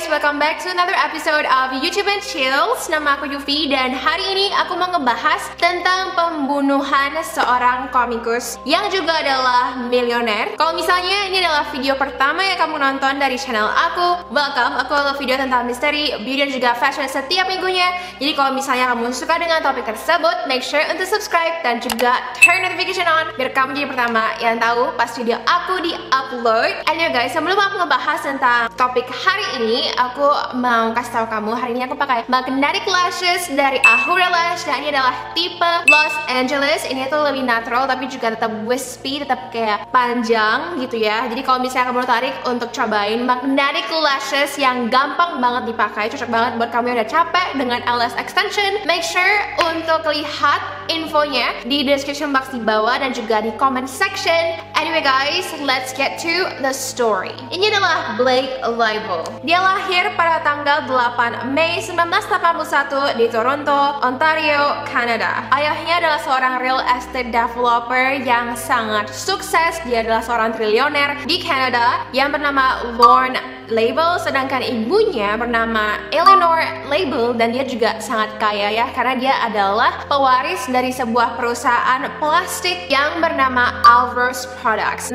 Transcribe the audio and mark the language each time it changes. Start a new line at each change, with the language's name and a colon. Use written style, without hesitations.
English: Welcome back to another episode of YouTube and Chills.
Indonesian: Nama aku Yuvi dan hari ini aku mau ngebahas tentang pembunuhan seorang komikus yang juga adalah miliuner. Kalau misalnya ini adalah video pertama yang kamu nonton dari channel aku, welcome. Aku upload video tentang misteri, beauty, dan juga fashion setiap minggunya. Jadi kalau misalnya kamu suka dengan topik tersebut,
English: make sure
Indonesian: untuk subscribe dan juga
English: turn notification on
Indonesian: biar kamu jadi pertama yang tahu pas video aku di upload.
English: And yeah guys,
Indonesian: sebelum aku ngebahas tentang topik hari ini, aku mau kasih tahu kamu, hari ini aku pakai magnetic lashes dari Ahura Lash dan ini adalah tipe Los Angeles. Ini tuh lebih natural tapi juga tetap wispy, tetap kayak panjang gitu ya. Jadi kalau misalnya kamu tertarik untuk cobain magnetic lashes yang gampang banget dipakai, cocok banget buat kamu yang udah capek dengan LS extension,
English: make sure
Indonesian: untuk lihat infonya di description box di bawah dan juga di comment section.
English: Anyway guys, let's get to the story.
Indonesian: Ini adalah Blake Libel. Dia lahir pada tanggal 8 Mei 1981 di Toronto, Ontario, Kanada. Ayahnya adalah seorang real estate developer yang sangat sukses. Dia adalah seorang triliuner di Kanada yang bernama Lorne Label, sedangkan ibunya bernama Eleanor Label dan dia juga sangat kaya ya, karena dia adalah pewaris dari sebuah perusahaan plastik yang bernama Alvarez Products.